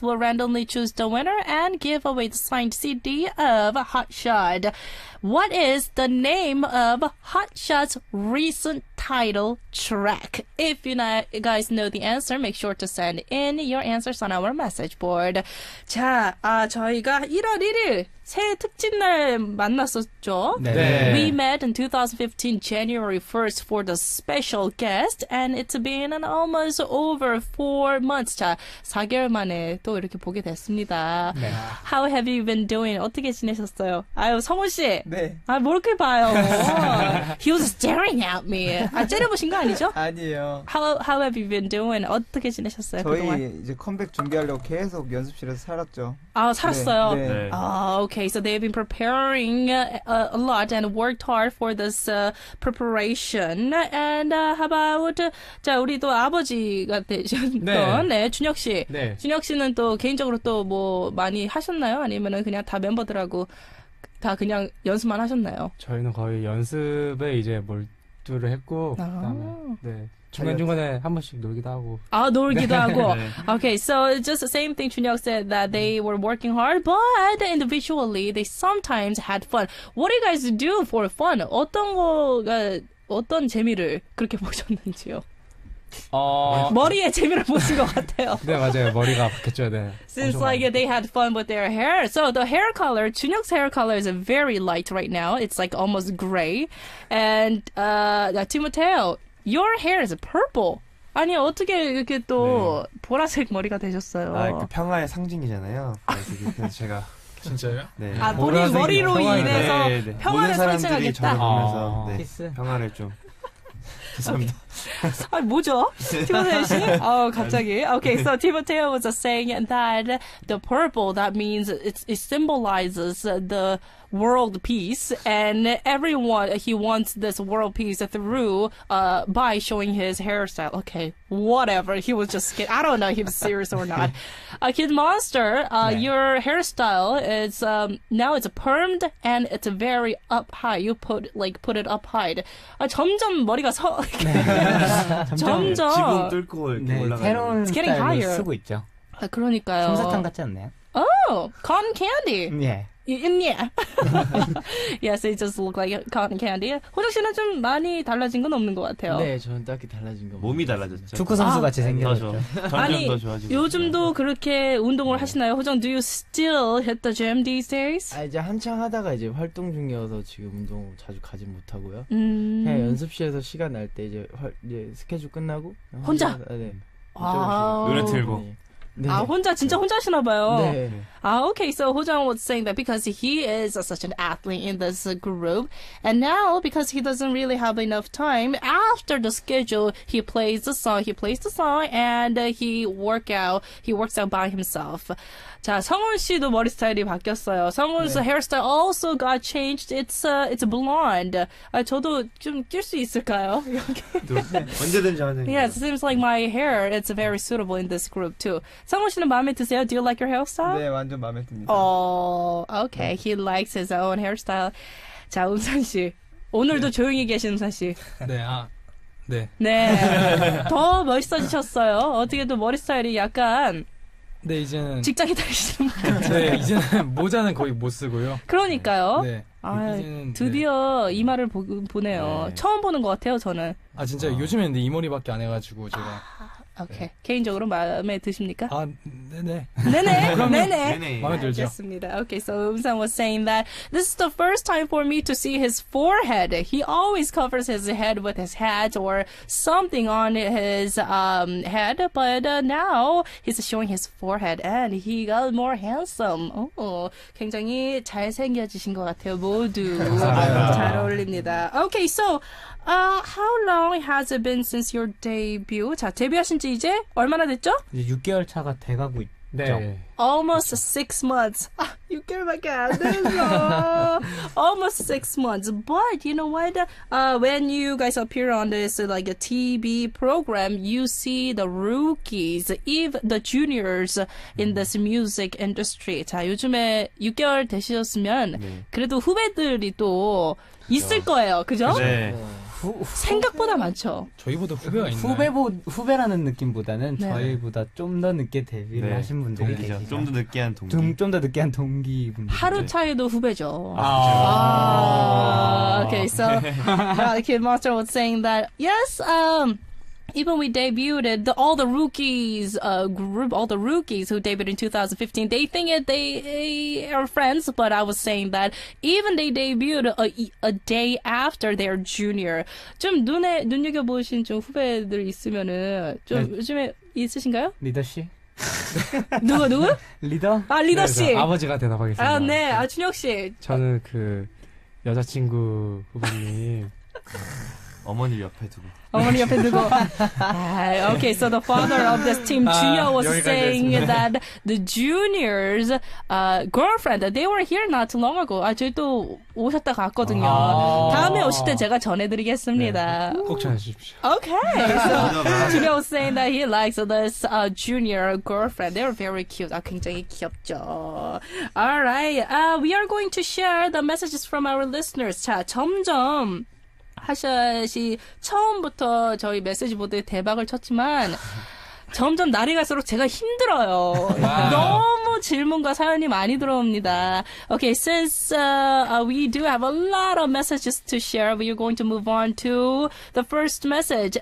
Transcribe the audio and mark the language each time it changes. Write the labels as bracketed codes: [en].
[en] We'll randomly choose the winner and give away the signed CD of HOTSHOT. What is the name of HOTSHOT's recent title track? If you guys know the answer, make sure to send in your answers on our message board. [ko] 자, 아, 저희가 1월 1일 새해 특집날 만났었죠? 네. [en] We met in 2015 January 1st for the special guest, and it's been an almost over 4 months. [ko] 자, 4개월 만에 또 이렇게 보게 됐습니다. 네. [en] How have you been doing? [ko] 어떻게 지내셨어요? 아유, 성훈 씨. 네. 아, 뭘 이렇게 봐요. [en] He was staring at me. [ko] 아, 째려보신 거 아니죠? 아니에요. [en] How have you been doing? [ko] 어떻게 지내셨어요? 저희 그동안? 이제 컴백 준비하려고 계속 연습실에서 살았죠. 아, 살았어요? 네. 네. 아, okay. [en] So they've been preparing a lot and worked hard for this preparation. And how about, [ko] 자, 우리 또 아버지가 되셨던, 네, 네, 준혁 씨. 네. 준혁 씨는 또 개인적으로 또 뭐 많이 하셨나요? 아니면은 그냥 다 멤버들하고 다 그냥 연습만 하셨나요? 저희는 거의 연습에 이제 몰두를 했고, 아, 그다음에 네, 중간중간에 한 번씩 놀기도 하고. 아, 놀기도 네. 하고. [en] Okay, so just the same thing Chunhyuk said, that they were working hard, but individually they sometimes had fun. What do you guys do for fun? [ko] 어떤 거가 어떤 재미를 그렇게 보셨는지요? 머리에 재미를 보신 것 같아요. 네, 맞아요. 머리가 바뀌었죠. 네. [en] Since like they had fun with their hair. So the hair color, 준혁's hair color is very light right now. It's like almost gray. And Timoteo, your hair is purple. [ko] 아니, 어떻게 이렇게 또 네. 보라색 머리가 되셨어요? 아, 그 평화의 상징이잖아요. 그래서 제가 진짜요? 네. 아, 본인 머리로 인해서 네, 네. 평화를 모든 사람들이 설치하겠다. 저를 보면서 아~ 네. 평화를 좀. 죄송합니다. 아, 뭐죠? 티모테 씨? 어, 갑자기. [en] Okay, so Timoteo was saying that the purple, that means it symbolizes the world peace, and everyone, he wants this world peace through by showing his hairstyle. Okay, whatever. He was just kidding. I don't know if he was serious or not. Kid Monster, yeah. Your hairstyle is now it's permed and it's very up high. You put like put it up high. [ko] 점점 머리가 서 점점 지붕 뚫고 이렇게 올라가는 It's getting higher. 쓰고 있죠. 아, 그러니까요. 솜사탕 같지 않나요? [en] Oh, cotton candy. Yeah. Yeah. Yes, it just looks like cotton candy. [ko] 호정 씨는 좀 많이 달라진 건 없는 것 같아요. 네, 저는 딱히 달라진 건 몸이 달라졌죠. 축구 선수 같이 생겼죠. 아니, 더 좋아지고 요즘도 있어요. 그렇게 운동을 네. 하시나요, 호정? [en] Do you still hit the gym these days? [ko] 아, 이제 한창 하다가 이제 활동 중이어서 지금 운동 자주 가진 못하고요. 그냥 연습실에서 시간 날 때 이제 이제 스케줄 끝나고 혼자. 네. 아, 노래 틀고. 네. 아 혼자 진짜 혼자 하시나 봐요. 네. [en] 아 okay, so Hojang was saying that because he is such an athlete in this group, and now because he doesn't really have enough time after the schedule, he plays the song. He plays the song and he work out. He works out by himself. [ko] 자 성훈 씨도 머리 스타일이 바뀌었어요. [en] 성훈's 네. hairstyle also got changed. It's blonde. [ko] 아 저도 좀 낄 수 있을까요? 언제든 저한테. [en] Yes, it seems like my hair. It's very suitable in this group too. [ko] 성훈 씨는 마음에 드세요? [en] Do you like your hairstyle? [ko] 네, 완전 마음에 듭니다. [en] Oh, okay. He likes his own hairstyle. [ko] 자, 은산 씨. 오늘도 네. 조용히 계신 은산 씨. 네, 아, 네. 네. 더 멋있어지셨어요. 어떻게 또 머리 스타일이 약간. 네, 이제는. 직장에 다니시는 분. 네, 이제는 모자는 거의 못 쓰고요. 그러니까요. 네. 아, 드디어 네. 이마를 보네요. 네. 처음 보는 것 같아요, 저는. 아, 진짜 와. 요즘에 근데 이머리밖에 안 해가지고 제가. 오케이 okay. 네. 개인적으로 마음에 드십니까? 아 네네 네네 네네. 네네 마음에 들죠. 알겠습니다. [en] Okay, so Eunsang was saying that this is the first time for me to see his forehead. He always covers his head with his hat or something on his head, but now he's showing his forehead and he got more handsome. [ko] 오, 굉장히 잘생겨지신 것 같아요, 모두. 잘 어울립니다. [en] Okay, so. How long has it been since your debut? [ko] 자, 데뷔하신 지 이제 얼마나 됐죠? 이제 6개월 차가 돼가고 있죠. 네. [en] Almost 6 months. [ko] 아, 6개월밖에 안 됐어. [en] Almost 6 months. But you know what? When you guys appear on this like a TV program, you see the rookies, even the juniors in this music industry. [ko] 자, 요즘에 6개월 되셨으면 네. 그래도 후배들이 또 있을 거예요. 그죠? 네. 생각보다 많죠. 저희보다 후배가 있나요? 후배라는 느낌보다는 네. 저희보다 좀 더 늦게 데뷔를 네. 하신 분들 계시죠. 좀 더 늦게 한 동기. 좀 더 늦게 한 동기 분들. 하루 차이도 후배죠. 아, [en] 아~ Okay, so Kid Monster was saying that yes, even we debuted the, all the rookies group, all the rookies who debuted in 2015, they think it they are friends, but I was saying that even they debuted a day after their junior. [ko] 좀 눈에 눈여겨보신 좀 후배들이 있으면은 좀 네. 요즘에 있으신가요? 리더 씨. 누구 누구? 리더. 아 리더 씨. 아버지가 대답하겠습니다. 아 네, 아 준혁 씨. 저는 그 여자친구 후배님. 어머니 옆에 두고. 어머니 옆에 두고. [en] Okay, so the father of this team, Junyo, was saying that the juniors' girlfriend, they were here not too long ago. [ko] 아, 저희 또 오셨다 갔거든요. 아~ 다음에 오실 때 제가 전해드리겠습니다. 네, 꼭 전해주십시오. [en] Okay, so Junyo was saying that he likes this junior girlfriend. They were very cute. [ko] 아, 굉장히 귀엽죠. [en] Alright, we are going to share the messages from our listeners. [ko] 자, 점점 하샷이 처음부터 저희 메시지 보드에 대박을 쳤지만 점점 날이 갈수록 제가 힘들어요. 너무 질문과 사연이 많이 들어옵니다. [en] Okay, since we do have a lot of messages to share, we are going to move on to the first message.